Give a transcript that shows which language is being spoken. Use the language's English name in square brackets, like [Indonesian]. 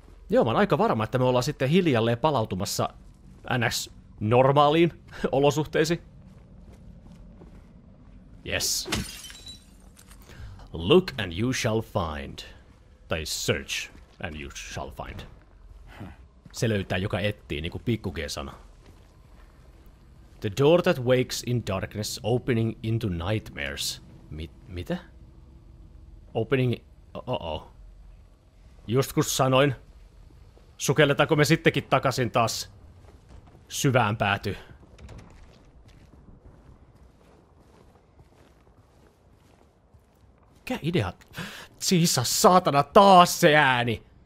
[Finnish] Joo, mä oon aika varma, että me ollaan sitten hiljalleen palautumassa NS normaaliin olosuhteisiin. [English] Yes. Look and you shall find. [Finnish] Tai [English] search and you shall find. [Finnish] Se löytää, joka etsii, niinku Pikku G sana. [English] The door that wakes in darkness, opening into nightmares. [Finnish] Mitä? Opening... Just kun sanoin, sukelletaanko me sittenkin takaisin taas syvään pääty. Mikä idea? Jesus, saatana, taas se ääni!